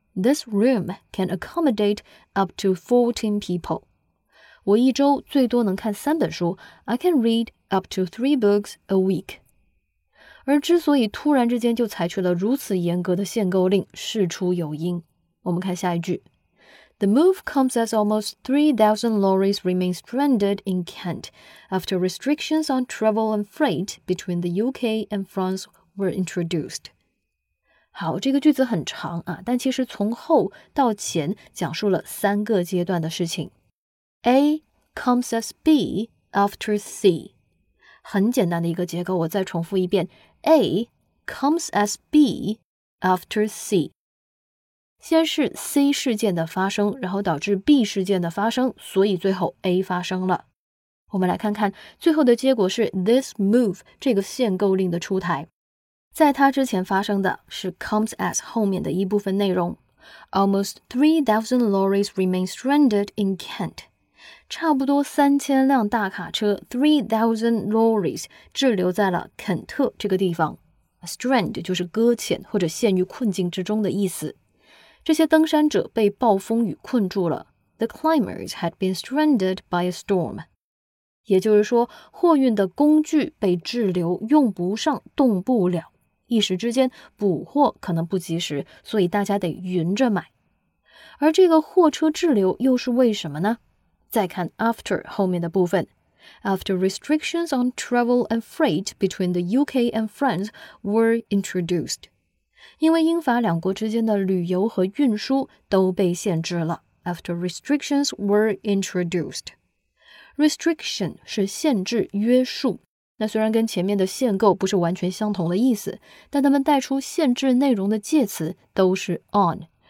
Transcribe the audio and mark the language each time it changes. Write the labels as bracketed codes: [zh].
[en] This room can accommodate up to 14 people. [zh] 我一周最多能看三本书。 [en] I can read up to 3 books a week. [zh] 而之所以突然之间就采取了如此严格的限购令，事出有因。我们看下一句。 [en] The move comes as almost 3,000 lorries remain stranded in Kent after restrictions on travel and freight between the UK and France were introduced. [zh] 好，这个句子很长啊，但其实从后到前讲述了三个阶段的事情。 [en] A comes as B after C. [zh] 很简单的一个结构，我再重复一遍。 [en] A comes as B after C. [zh] 先是 C 事件的发生，然后导致 B 事件的发生，所以最后 A 发生了。我们来看看最后的结果是 [en] this move [zh] 这个限购令的出台。在它之前发生的是 comes as 后面的一部分内容。 [en] Almost 3,000 lorries remain stranded in Kent. [zh] 差不多3000辆大卡车 [en] 3,000 lorries [zh] 滞留在了肯特这个地方。 Strand 就是搁浅或者陷于困境之中的意思。这些登山者被暴风雨困住了。 [en] The climbers had been stranded by a storm. [zh] 也就是说，货运的工具被滞留，用不上，动不了。一时之间，补货可能不及时，所以大家得匀着买。而这个货车滞留又是为什么呢？再看 after 后面的部分。 [en] After restrictions on travel and freight between the UK and France were introduced. [zh] 因为英法两国之间的旅游和运输都被限制了。 [en] After restrictions were introduced. Restriction [zh] 是限制、约束。那虽然跟前面的限购不是完全相同的意思，但他们带出限制内容的介词都是 on.